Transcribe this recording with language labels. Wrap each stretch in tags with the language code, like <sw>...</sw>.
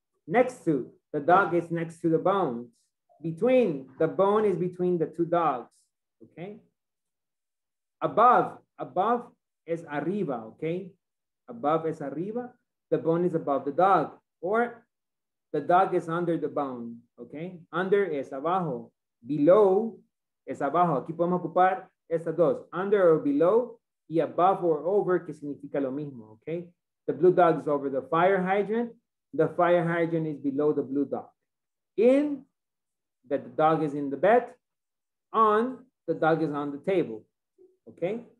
<en>Next to, the dog is next to the bones. Between, the bone is between the two dogs. Okay. Above, above is arriba. Okay. Above is arriba. The bone is above the dog, or the dog is under the bone, okay?</en> <es>Under es abajo, below es abajo. Aquí podemos ocupar estas dos,</es> <en>under or below,</en> <es>y</es> <en>above or over,</en> <es>que significa lo mismo, okay?</es> <en>The blue dog is over the fire hydrant is below the blue dog. In, that the dog is in the bed, on, the dog is on the table, okay?</en>